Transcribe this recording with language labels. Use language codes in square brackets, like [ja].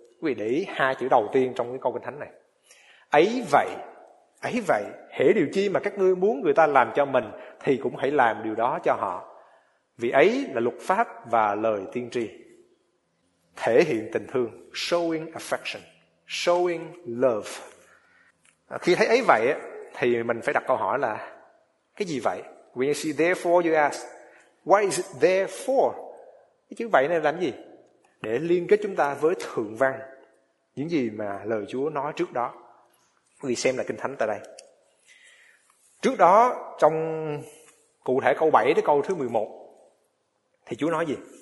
[vi] Quý vị để ý hai chữ đầu tiên trong cái câu kinh thánh này. Ấy vậy, hễ điều chi mà các ngươi muốn người ta làm cho mình thì cũng hãy làm điều đó cho họ. Vì ấy là luật pháp và lời tiên tri. Thể hiện tình thương, [en] showing affection, showing love. [vi] Khi thấy ấy vậy thì mình phải đặt câu hỏi là cái gì vậy? [en] When you see therefore you ask, why is it therefore? [vi] Cái chữ vậy này làm gì? Để liên kết chúng ta với thượng văn, những gì mà lời Chúa nói trước đó. Quý vị xem là kinh thánh tại đây. Trước đó trong cụ thể câu 7 đến câu thứ 11 thì Chúa nói gì?